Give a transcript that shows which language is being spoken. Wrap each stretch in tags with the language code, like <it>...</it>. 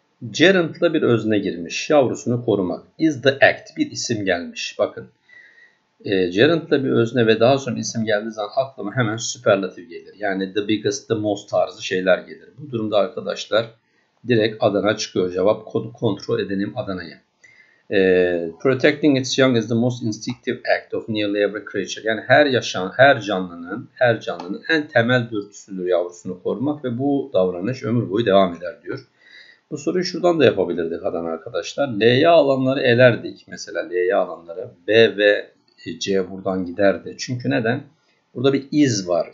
<tr>Gerund'la bir özne girmiş. Yavrusunu korumak.</tr> <en>Is the act.</en> <tr>Bir isim gelmiş. Bakın. Gerund'da bir özne ve daha sonra isim geldiği zaman aklıma hemen superlatif gelir. Yani</tr> <en>the biggest, the most</en> <tr>tarzı şeyler gelir. Bu durumda arkadaşlar direkt Adana çıkıyor. Cevap kodu kontrol edelim Adana'ya.</tr> <en>Protecting its young is the most instinctive act of nearly every creature.</en> <tr>Yani her yaşayan, her canlının en temel dürtüsüdür yavrusunu korumak ve bu davranış ömür boyu devam eder diyor. Bu soruyu şuradan da yapabilirdik Adana arkadaşlar. L'ye alanları elerdik. Mesela L'ye alanları B ve C buradan giderdi. Çünkü neden? Burada bir iz var.</tr>